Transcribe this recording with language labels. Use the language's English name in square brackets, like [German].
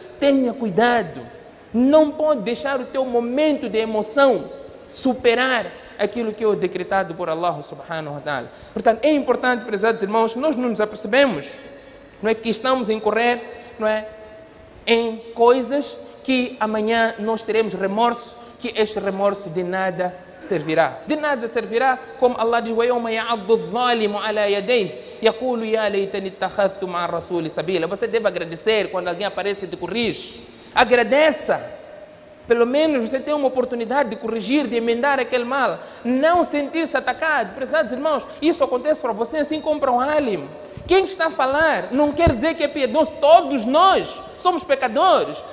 [Portuguese] Tenha cuidado. Não pode deixar o teu momento de emoção superar aquilo que é decretado por Allah subhanahu wa ta'ala. Portanto, é importante, prezados irmãos, nós não nos apercebemos, não é, que estamos a incorrer, não é, em coisas que amanhã nós teremos remorso, que este remorso de nada servirá. De nada servirá, como Allah diz: [Arabic] وَيَوْمَ يَعَضُّ الظَّالِمُ عَلَى يَدَيْهِ يَقُولُ يَا لَيْتَنِي اتَّخَذْتُ مَعَ الرَّسُولِ سَبِيلًا. [Portuguese] Você deve agradecer quando alguém aparece e te corrige. Agradeça. Pelo menos você tem uma oportunidade de corrigir, de emendar aquele mal. Não sentir-se atacado. Prezados irmãos, isso acontece para você assim como para um alim. Quem está a falar não quer dizer que é piedoso. Todos nós somos pecadores.